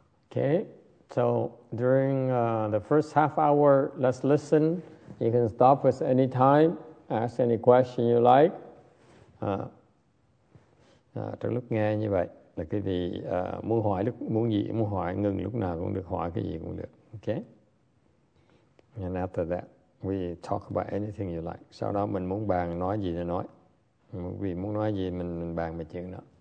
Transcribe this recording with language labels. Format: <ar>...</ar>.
<en>Okay, so during the first half hour, let's listen. You can stop us any time, ask any question you like.</en> <vi>Từ lúc nghe như vậy là quý vị muốn hỏi lúc muốn gì muốn hỏi ngừng lúc nào cũng được hỏi cái gì cũng được.</vi> <en>Okay. And after that, we talk about anything you like.</en> <vi>Sau đó mình muốn bàn nói gì thì nói. Vì muốn nói gì mình bàn về chuyện đó.</vi>